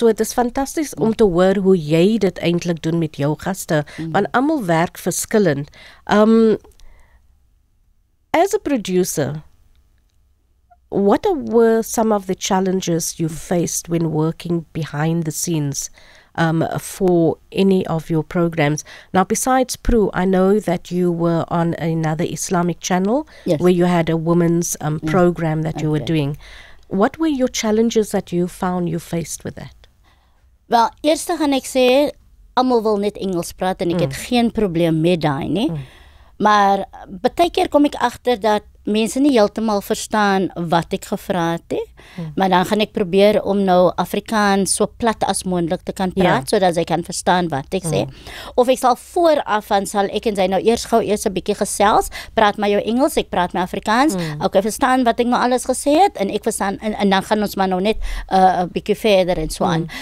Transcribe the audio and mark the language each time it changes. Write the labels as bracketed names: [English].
[Afrikaans] So het is fantastisch om te hoor hoe jy dit eindelijk doen met jou gaste. Mm. Want allemaal werk verskillend. [English] As a producer, what were some of the challenges you faced when working behind the scenes for any of your programs? Now, besides Proe, I know that you were on another Islamic channel where you had a women's program that you were doing. What were your challenges that you found you faced with that? Well, first I will say, [Afrikaans] almal wil net Engels praat en ek het geen probleem met daai nie. Maar baie keer kom ek agter dat mense nie heeltemal verstaan wat ek gevra het, maar dan gaan ek probeer om nou Afrikaans so plat as moontlik te kan praat, sodat sy kan verstaan wat ek sê. Of ek sal vooraf, dan sal ek en sy nou eers gauw 'n bietjie gesels, praat maar jou Engels, ek praat my Afrikaans, ook ek verstaan wat ek nou alles gesê het, en ek verstaan, en dan gaan ons maar nou net 'n bietjie verder en so aan.